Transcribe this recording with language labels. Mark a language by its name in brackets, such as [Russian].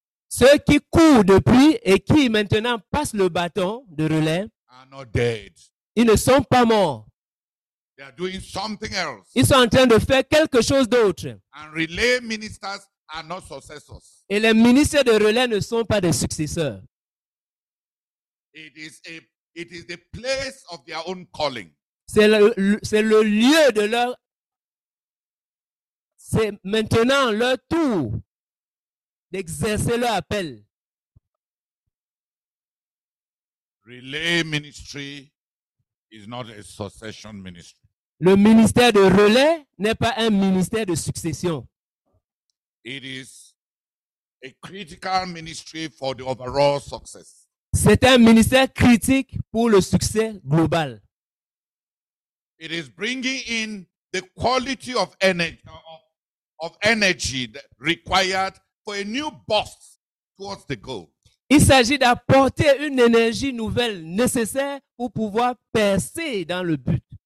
[French] Ceux qui courent depuis et qui maintenant passent le bâton de relais, [English] are not dead. [French] Ils ne sont pas morts. [English] They are doing something else. [French] Ils sont en train de faire quelque chose d'autre. [English] And relay ministers are not successors. [French] Et les ministres de relais ne sont pas des successeurs. [English] It is the place of their own calling. [French] C'est le lieu de leur... C'est maintenant leur tour d'exercer leur appel. [English] Relay ministry is not a succession ministry. [French] Le ministère de relais n'est pas un ministère de succession. [English] It is a critical ministry for the overall success. [French] C'est un ministère critique pour le succès global. [English] It is bringing in the quality of energy required for a new burst towards the goal. [French] Il s'agit d'apporter une énergie nouvelle nécessaire pour pouvoir percer dans le but.